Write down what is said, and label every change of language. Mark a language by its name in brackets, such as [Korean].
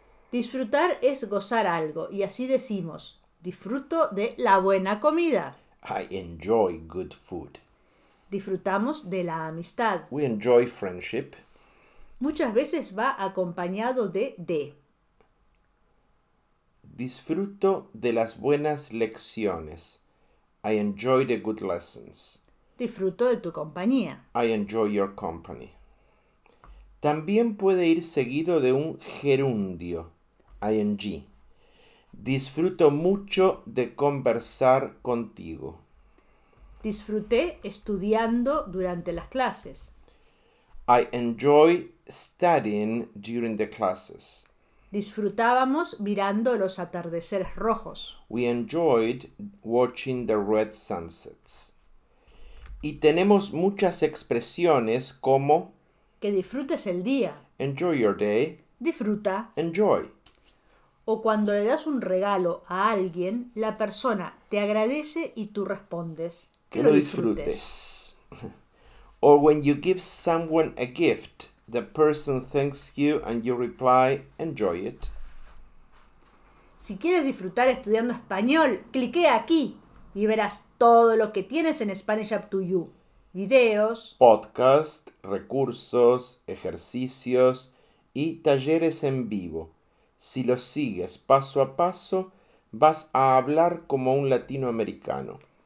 [Spanish] Disfrutar es gozar algo, y así decimos, disfruto de la buena comida. [English] Enjoy good food. [Spanish] Disfrutamos de la amistad. [English] We enjoy friendship. [Spanish] Muchas veces va acompañado de. Disfruto de las buenas lecciones. [English] I enjoy the good lessons. [Spanish] Disfruto de tu compañía. [English] I enjoy your company. [Spanish] También puede ir seguido de un gerundio, ing. Disfruto mucho de conversar contigo. Disfruté estudiando durante las clases. [English] I enjoy studying during the classes. [Spanish] Disfrutábamos mirando los atardeceres rojos. [English] We enjoyed watching the red sunsets. [Spanish] Y tenemos muchas expresiones como Que disfrutes el día. [English] enjoy your day. [Spanish] Disfruta. [English] Enjoy. [Spanish] O cuando le das un regalo a alguien, la persona te agradece y tú respondes. Que Que lo lo disfrutes. disfrutes. [English] Or when you give someone a gift, the person thanks you and you reply, enjoy it. [Spanish] Si quieres disfrutar estudiando español, cliquea aquí y verás todo lo que tienes en Spanish Up to You. Videos, Podcast, recursos, ejercicios y talleres en vivo. Si los sigues paso a paso, vas a hablar como un latinoamericano.